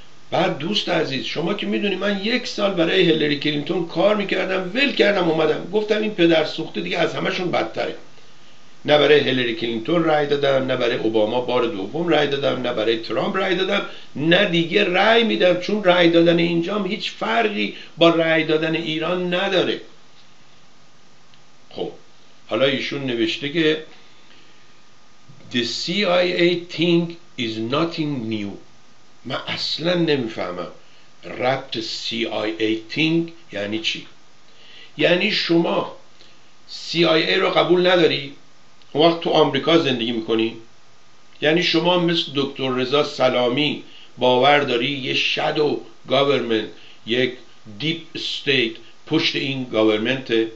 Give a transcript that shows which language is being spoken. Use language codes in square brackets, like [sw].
[fa] بعد دوست عزیز، شما که میدونی من یک سال برای هلری کلینتون کار میکردم، ول کردم اومدم، گفتم این پدر سوخته دیگه از همشون بدتره. نه برای هلری کلینتون رای دادم، نه برای اوباما بار دوم رای دادم، نه برای ترامپ رای دادم، نه دیگه رای میدم، چون رای دادن اینجام هیچ فرقی با رای دادن ایران نداره. خب حالا ایشون نوشته که [en] The CIA thing is nothing new. [fa] من اصلا نمیفهمم ربط CIA thing یعنی چی. یعنی شما CIA رو قبول نداری وقت تو آمریکا زندگی میکنی؟ یعنی شما مثل دکتر رضا سلامی باور داری یه شادو گاورمنت، یک دیپ استیت پشت این گاورمنت؟